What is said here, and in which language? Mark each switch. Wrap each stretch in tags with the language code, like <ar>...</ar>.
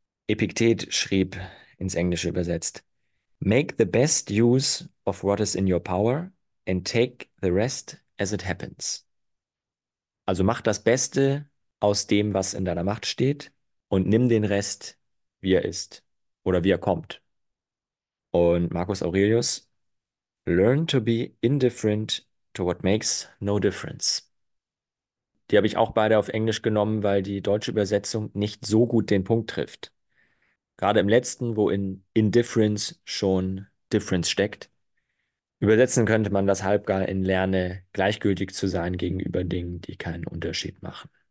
<de>Epiktet schrieb, ins Englische übersetzt:</de> <en>Make the best use of what is in your power and take the rest as it happens.</en> <de>Also mach das Beste aus dem, was in deiner Macht steht, und nimm den Rest, wie er ist oder wie er kommt.</de> <en>Und Marcus Aurelius: Learn to be indifferent to what makes no difference.</en> <de>Die habe ich auch beide auf Englisch genommen, weil die deutsche Übersetzung nicht so gut den Punkt trifft. Gerade im letzten, wo in indifference schon difference steckt. Übersetzen könnte man das halb gar in lerne, gleichgültig zu sein gegenüber Dingen, die keinen Unterschied machen.</de>